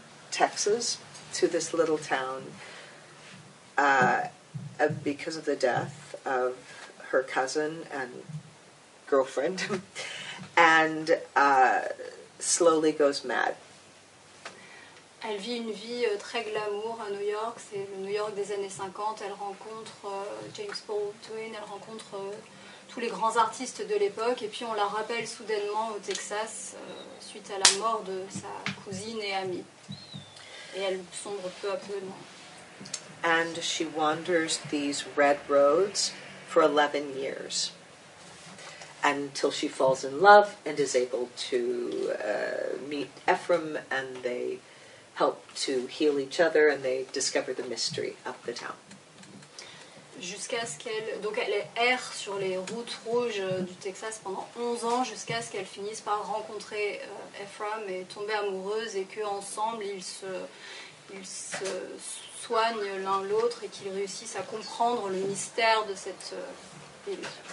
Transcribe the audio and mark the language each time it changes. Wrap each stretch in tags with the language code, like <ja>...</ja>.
<en>Texas, to this little town, because of the death of her cousin and girlfriend, and slowly goes mad.</en> <fr>Elle vit une vie très glamour à New York, c'est le New York des années 50. Elle rencontre James Baldwin, elle rencontre tous les grands artistes de l'époque, et puis on la rappelle soudainement au Texas suite à la mort de sa cousine et amie. Et elle sombre peu à peu. Non?</fr> <en>And she wanders these red roads for 11 years. Until she falls in love and is able to meet Ephraim, and they help to heal each other, and they discover the mystery of the town.</en> <fr>Jusqu'à ce qu'elle, donc elle erre sur les routes rouges du Texas pendant 11 ans, jusqu'à ce qu'elle finisse par rencontrer Ephraim et tomber amoureuse, et que ensemble ils se soignent l'un l'autre et qu'ils réussissent à comprendre le mystère de cette ville.</fr>